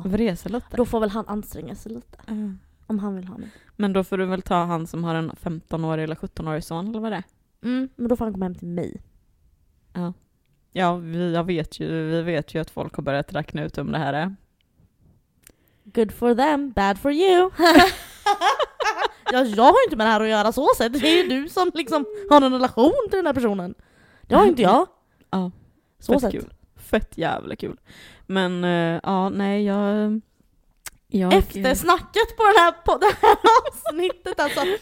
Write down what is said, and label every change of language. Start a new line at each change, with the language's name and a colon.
Swedish: vresa lite. Då får väl han anstränga sig lite. Mm. Om han vill ha mig. Men då får du väl ta han som har en 15-årig eller 17-årig son eller vad det är. Mm, men då får han komma hem till mig. Ja. Ja, vi vet ju att folk har börjat räkna ut om det här är.
English: Good for them, bad for you.
Swedish: Ja, jag har inte med det här att göra så sett. Det är ju du som liksom har en relation till den här personen. Det har inte jag. Ja. Så sett. Fett jävla kul. Men ja, nej, jag efter snacket på det här avsnittet alltså.